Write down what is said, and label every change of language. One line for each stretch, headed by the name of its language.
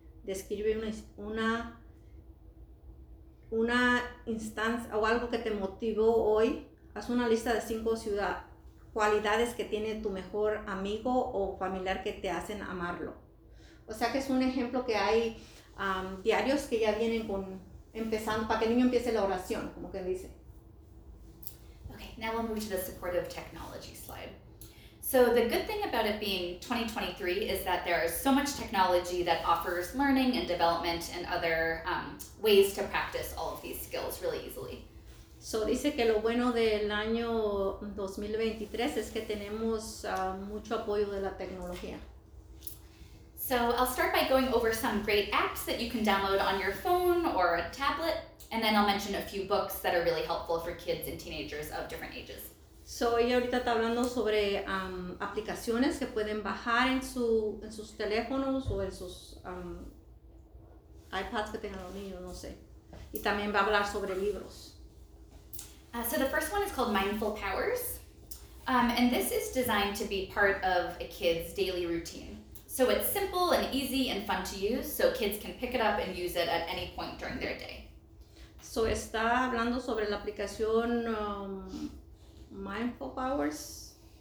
Spanish: describe una instancia o algo que te motivó hoy. Haz una lista de 5 cualidades que tiene tu mejor amigo o familiar que te hacen amarlo. O sea que es un ejemplo que hay diarios que ya vienen con empezando para que el niño empiece la oración, como que dice.
English: Okay, now we'll move to the supportive technology slide. So the good thing about it being 2023 is that there is so much technology that offers learning and development and other ways to practice all of these skills really easily.
Spanish: So dice que lo bueno del año 2023 es que tenemos mucho apoyo de la tecnología.
English: So I'll start by going over some great apps that you can download on your phone or a tablet, and then I'll mention a few books that are really helpful for kids and teenagers of different ages.
Spanish: So ella ahorita está hablando sobre aplicaciones que pueden bajar en sus teléfonos o en sus iPads que tengan los niños, no sé. Y también va a hablar sobre libros.
English: So the first one is called Mindful Powers, and this is designed to be part of a kid's daily routine. So it's simple and easy and fun to use, so kids can pick it up and use it at any point during their day.
Spanish: So está hablando sobre la aplicación Mindful Powers.